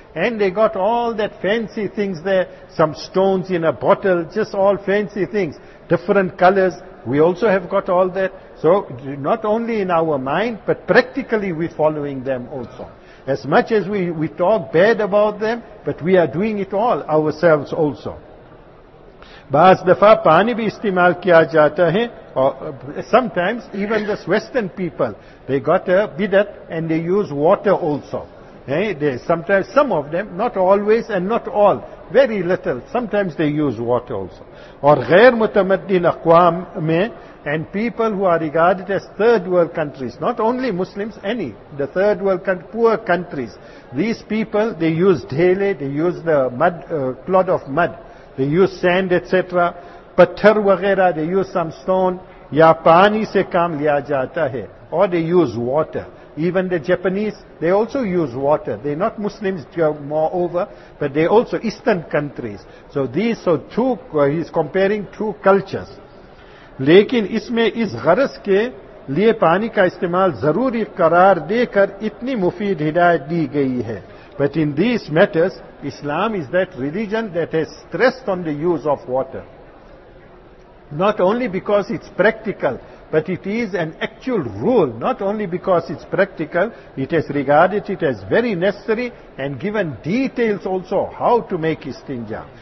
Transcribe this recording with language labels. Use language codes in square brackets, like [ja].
[en] And they got all that fancy things there, some stones in a bottle, just all fancy things, different colors. We also have got all that. So not only in our mind, but practically we're following them also. As much as we talk bad about them, but we are doing it all ourselves also. [ur] بعض دفعہ پانی بھی استعمال کیا جاتا ہے. [en] Sometimes even this Western people, they got a bidat and they use water also. Sometimes, some of them, not always and not all, very little, sometimes they use water also. Or [ur] غير متمدن اقوام میں, [en] and people who are regarded as third world countries, not only Muslims, any, the third world country, poor countries, these people, they use dhele, they use the mud, clod of mud, they use sand, etc., [ur] پتھر وغیرہ, [en] they use some stone, [ur] یا پانی سے کام لیا جاتا ہے, [en] or they use water. Even the Japanese, they also use water. They're not Muslims, moreover, but they also Eastern countries. So these, so two, he's comparing two cultures. [ur] لیکن اس میں اس غرض کے لیے پانی کا استعمال ضروری قرار دے کر اتنی مفید ہدایت دی گئی ہے. [en] But in these matters, Islam is that religion that has stressed on the use of water. Not only because it's practical, but it is an actual rule, not only because it's practical, it has regarded it as very necessary and given details also how to make istinja.